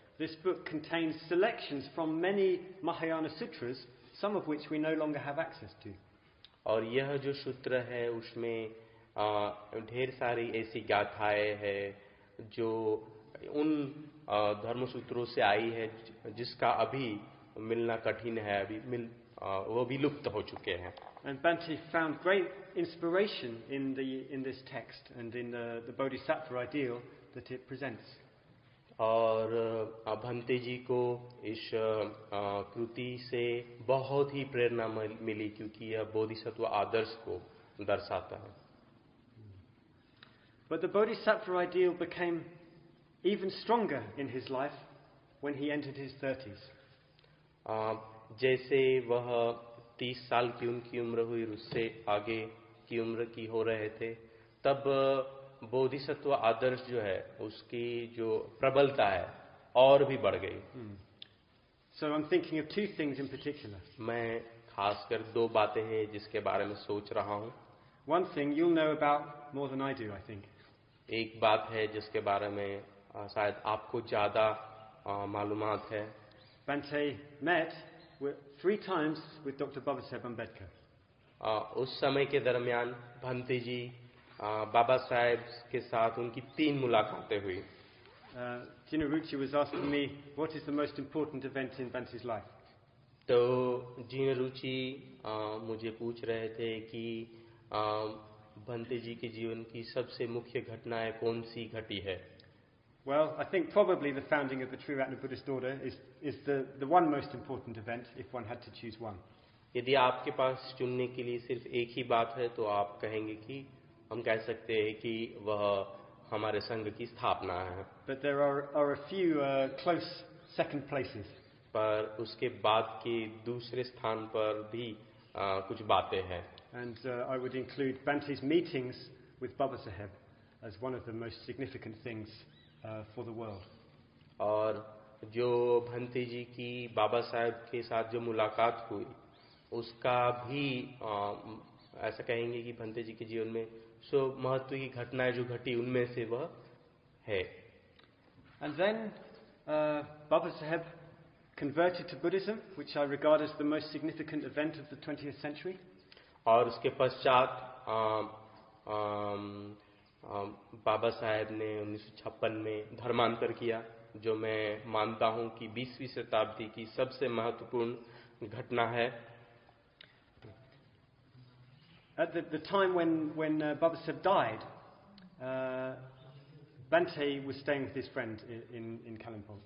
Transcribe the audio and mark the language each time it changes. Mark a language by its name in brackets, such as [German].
[English] This book contains selections from many Mahayana sutras, some of which we no longer have access to. [Hindi] और यह जो सूत्र है उसमें ढेर सारी ऐसी गाथाएं हैं जो उन धर्म सूत्रों से आई है जिसका अभी मिलना कठिन है, अभी मिल वो भी लुप्त हो चुके हैं. [English] And Bhante found great inspiration in the in this text and in the Bodhisattva ideal that it presents. [Hindi] और भंते जी को इस कृति से बहुत ही प्रेरणा मिली क्योंकि यह बोधिसत्व आदर्श को दर्शाता है. [English] But the Bodhisattva ideal became even stronger in his life when he entered his 30s. [Hindi] जैसे वह 30 साल की उनकी उम्र हुई, उससे आगे की उम्र की हो रहे थे, तब बोधिसत्व आदर्श जो है उसकी जो प्रबलता है और भी बढ़ गई. [English] So I'm thinking of two things in particular. [Hindi] मैं खासकर दो बातें हैं जिसके बारे में सोच रहा हूँ. [English] One thing you'll know about more than I do, I think. [Hindi] एक बात है जिसके बारे में शायद आपको ज्यादा मालूमात है. [English] Bhante met three times with Dr. Babasaheb Ambedkar. [Hindi] उस समय के दरमियान भंते जी बाबा साहेब के साथ उनकी तीन मुलाकातें हुई. [English] Jinaruchi was asking me what is the most important event in Bhante's life. [Hindi] तो Jinaruchi मुझे पूछ रहे थे कि भंते जी के जीवन की सबसे मुख्य घटनाएं कौन सी घटी है. [English] Well, I think probably the founding of the Triratna Buddhist Order is the one most important event if one had to choose one. [Hindi] यदि आपके पास चुनने के लिए सिर्फ एक ही बात है तो आप कहेंगे कि हम कह सकते हैं कि वह हमारे संघ की स्थापना है. [English] But there are a few close second places. [Hindi] पर उसके बाद के दूसरे स्थान पर भी कुछ बातें हैं. [English] And I would include Bhante's meetings with Babasaheb as one of the most significant things for the world. [Hindi] और जो भंते जी की बाबा साहेब के साथ जो मुलाकात हुई उसका भी ऐसा कहेंगे कि भंते जी के जीवन में सो महत्व की घटनाएं जो घटी उनमें से वह है. [English] And then Babasaheb converted to Buddhism, which I regard as the most significant event of the 20th century. [Hindi] और उसके पश्चात बाबा साहेब ने 1956 में धर्मांतर किया, जो मैं मानता हूं कि 20वीं शताब्दी की सबसे महत्वपूर्ण घटना है. [English] At the time when Babasaheb died, Bhante was staying with his friend in Kalimpong.